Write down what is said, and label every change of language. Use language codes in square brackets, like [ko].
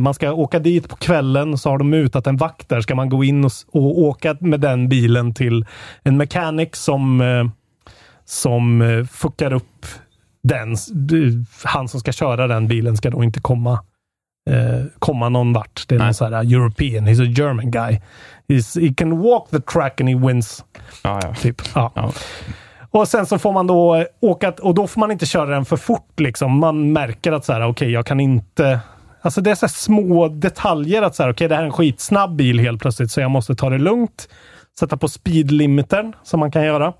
[sv] Man ska åka dit på kvällen, så har de mutat en vakt där. Ska man gå in och åka med den bilen till en mekanik som fuckar upp den. Han som ska köra den bilen ska då inte komma någon vart. Det är någon så här [en] European, he's a German guy. He can walk the track and he wins. [sv] Ja. Typ. Ja. Ja. Och sen så får man då åka, och då får man inte köra den för fort liksom. Man märker att så här, okej, jag kan inte, alltså det är så här små detaljer att så här, okej, det här är en skitsnabb bil helt plötsligt, så jag måste ta det lugnt, sätta på speedlimitern som man kan göra.